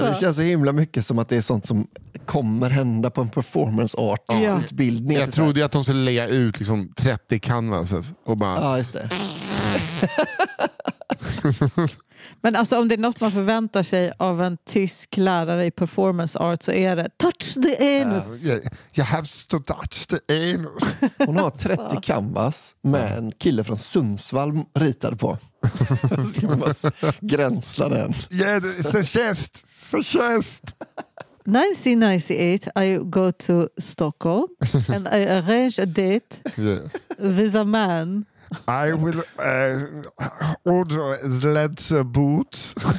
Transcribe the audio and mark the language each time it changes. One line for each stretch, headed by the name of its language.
Swedish: Det känns så himla mycket som att det är sånt som kommer hända på en performance art utbildning. Jag trodde att de skulle lägga ut liksom 30 canvases och bara... Ja, just det. Men alltså, om det är något man förväntar sig av en tysk lärare i performance art så är det touch the anus.
English: You have to touch the anus.
Swedish: Hon har 30 canvas med en kille från Sundsvall ritad på. Ska man bara gränsla den.
English: Yeah, it's a chest. It's a chest. 1998, I go to Stockholm and I arrange a date with a man. I will order leather boots.